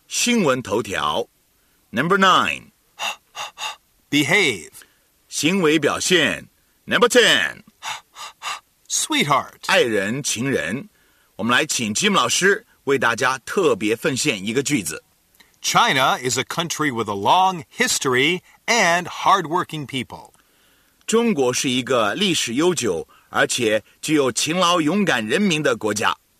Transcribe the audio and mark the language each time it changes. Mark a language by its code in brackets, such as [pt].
[zh] 新闻头条。 [en] Number nine. Behave. [zh] 行为表现。 [en] Number ten, sweetheart, [zh] 爱人情人。我们来请 Jim 老师为大家特别奉献一个句子。 [en] China is a country with a long history and hardworking people. [zh] 中国是一个历史悠久而且具有勤劳勇敢人民的国家。